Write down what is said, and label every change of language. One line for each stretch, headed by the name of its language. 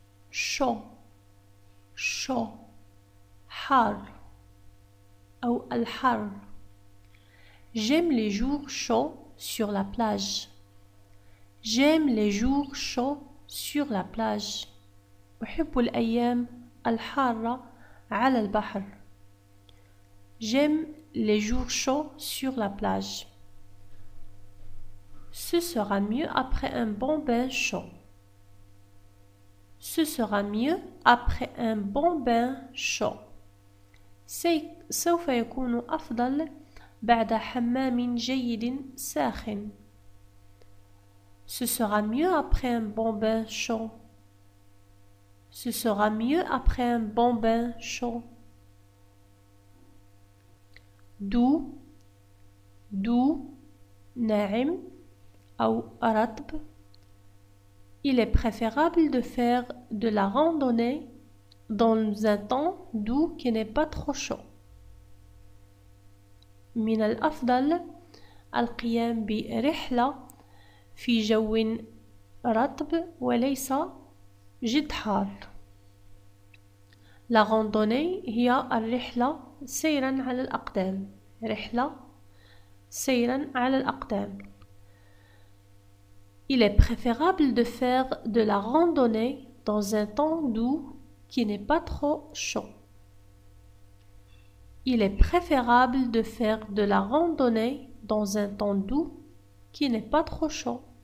French: Chaud. Chaud.
Arabic: حار. أو الحر.
French: J'aime les jours chauds sur la plage. J'aime les jours chauds sur la plage.
Arabic: أحب الأيام الحارة على البحر.
French: J'aime les jours chauds sur la plage. Ce sera mieux après un bon bain chaud. Ce sera mieux après un bon bain chaud.
Arabic: سوف يكون أفضل بعد حمام جيد ساخن.
French: Ce sera mieux après un bon bain chaud. Ce sera mieux après un bon bain chaud. Doux, doux, na'im, ou aratb. Il est préférable de faire de la randonnée dans un temps doux qui n'est pas trop chaud.
Arabic: من الأفضل القيام برحلة في جو رطب وليس جد حار. La randonnée هي الرحلة سيرا على الأقدام. رحلة سيرا على الأقدام.
French: Il est préférable de faire de la randonnée dans un temps doux qui n'est pas trop chaud. Il est préférable de faire de la randonnée dans un temps doux qui n'est pas trop chaud.